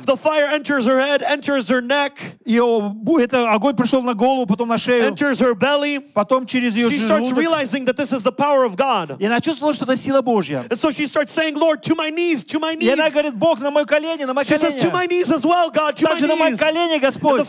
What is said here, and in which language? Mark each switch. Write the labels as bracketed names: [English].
[English] The fire enters her head, enters her neck. [Russian] Это огонь пришел на голову, потом на шею. [English] Enters her belly. [Russian] Потом через ее желудок. [English] She starts realizing that this is the power of God. [Russian] И она чувствовала, что это сила Божья. [English] And so she starts saying, Lord, to my knees, to my knees. [Russian] И она говорит, Бог, на мое колено, на мое колено. [English] She says, to my knees as well, God, to my knees. [Russian] Также на мое колено, Господь.